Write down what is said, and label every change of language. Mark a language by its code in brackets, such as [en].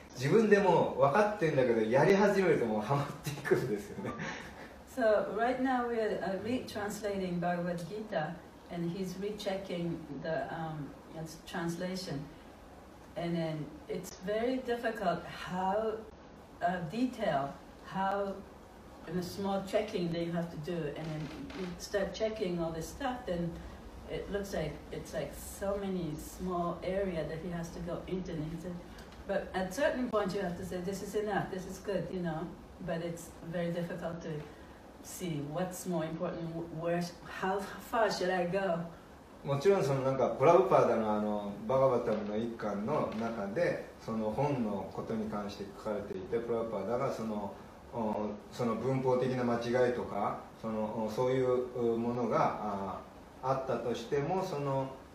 [ja] 自分でも分かってるんだけどやり始めるともうハマっていくんですよね。 [en] So right now we are retranslating Bhagavad Gita and he's rechecking the translation and then it's very difficult how detailed how in a small checking that you have to do and then you start checking all this stuff then it looks like it's like so many small area that he has to go into and he said,But at certain point you have to say this is enough, this is good, you know. But it's very difficult to see what's more important, where, how far should I go? [ja] もちろんそのなんかプラブパーダのバガバタムの一巻の中でその本のことに関して書かれていて、プラブパーダがその文法的な間違いとかそういうものがあったとしてもその